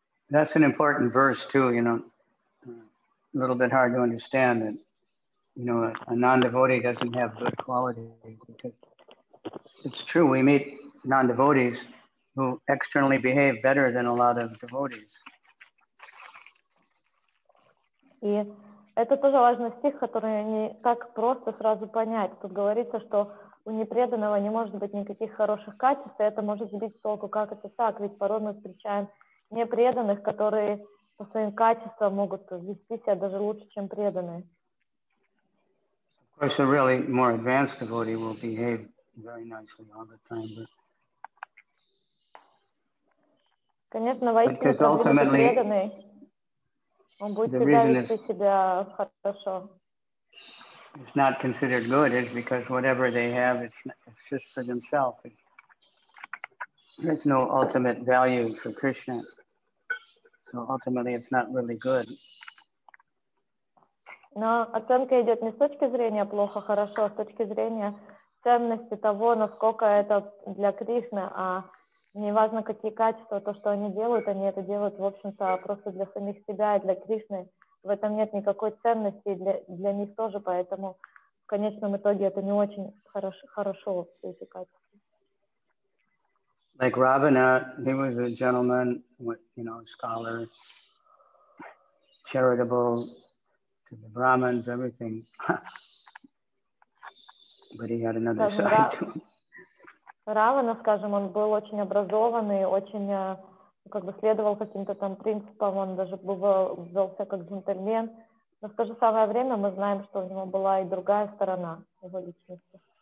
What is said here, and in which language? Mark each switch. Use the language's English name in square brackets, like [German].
[English] That's an important verse too, you know, a little bit hard to understand that, you know, a non-devotee doesn't have good qualities. It's true, we meet non-devotees who externally behave better than a lot of devotees. [Russian] И это тоже важный стих, который не так просто сразу понять. Тут говорится, что у непреданного не может быть никаких хороших качеств, и это может сбить с толку, как это так, ведь порой мы встречаем непреданных, которые по своим качествам могут вести себя даже лучше, чем преданные. [English] Of course, a really more advanced devotee will behave very nicely all the time, but... [Russian] Конечно, воистину, он будет преданный. Он будет вести себя хорошо. [English] It's not considered good is because whatever they have, it's just for themselves. There's no ultimate value for Krishna. So ultimately, it's not really good. [Russian] Но оценка идет не с точки зрения плохо, хорошо, а с точки зрения ценности того, насколько это для Кришны, а не важно, какие качества, то, что они это делают, в общем-то, просто для самих себя и для Кришны. В этом нет никакой ценности для них тоже, поэтому в конечном итоге это не очень хорошо все эти качества. [English] Like Ravana, he was a gentleman, you know, scholar, charitable to the Brahmins, everything. But he had another side to him. [Russian] Равана, скажем, он был очень образованный, очень как бы следовал каким-то там принципам, он даже ввелся как джентльмен. Но в то же самое время мы знаем, что у него была и другая сторона его личности.